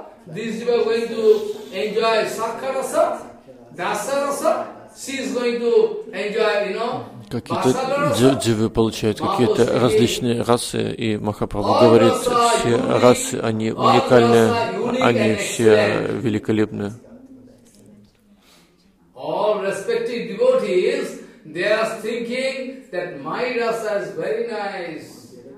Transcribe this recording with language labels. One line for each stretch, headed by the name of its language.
English: This jiva is going to enjoy sakha rasa, dasa rasa, she is going to enjoy, you know,
Russian: какие-то дживы получают какие-то различные расы, и Махапрабху говорит, все расы, они уникальны, они все великолепны.
English: All respected devotees, they are thinking that my rasa is very nice.